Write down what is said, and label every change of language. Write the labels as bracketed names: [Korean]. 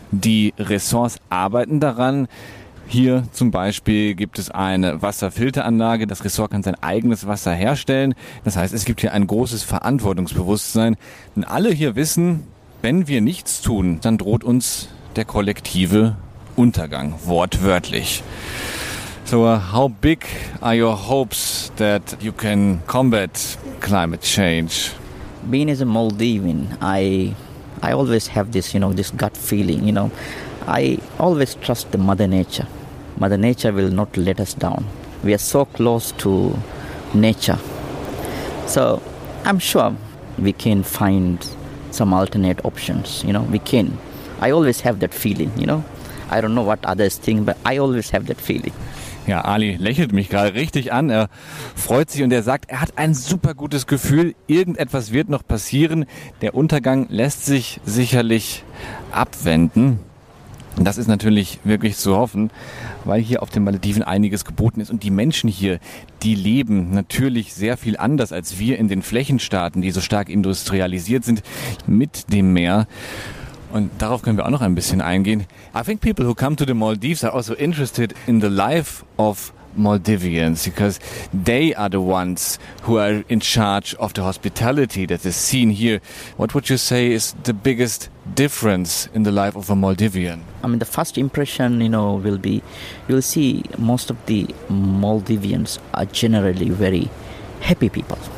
[German] Die Ressorts arbeiten daran. Hier zum Beispiel gibt es eine Wasserfilteranlage. Das Ressort kann sein eigenes Wasser herstellen. Das heißt, es gibt hier ein großes Verantwortungsbewusstsein. Denn alle hier wissen, wenn wir nichts tun, dann droht uns der kollektive Untergang. Wortwörtlich. [English] So, how big are your hopes that you can combat climate change? Being as a Maldivian, I always have this, you know, this gut feeling, you know. I always trust the Mother Nature. Mother Nature will not let us down. We are so close to nature. So I'm sure we can find some alternate options, you know, we can. I always have that feeling, you know. I don't know what others think, but I always have that feeling. [German] Ja, Ali lächelt mich gerade richtig an. Er freut sich und er sagt, er hat ein super gutes Gefühl. Irgendetwas wird noch passieren. Der Untergang lässt sich sicherlich abwenden. Das ist natürlich wirklich zu hoffen, weil hier auf den Malediven einiges geboten ist. Und die Menschen hier, die leben natürlich sehr viel anders als wir in den Flächenstaaten, die so stark industrialisiert sind, mit dem Meer. Und darauf können wir auch noch ein bisschen eingehen. [English] I think people who come to the Maldives are also interested in the life of Maldivians, because they are the ones who are in charge of the hospitality that is seen here. What would you say is the biggest difference in the life of a Maldivian? I mean, the first impression, you know, will be, you'll see most of the Maldivians are generally very happy people.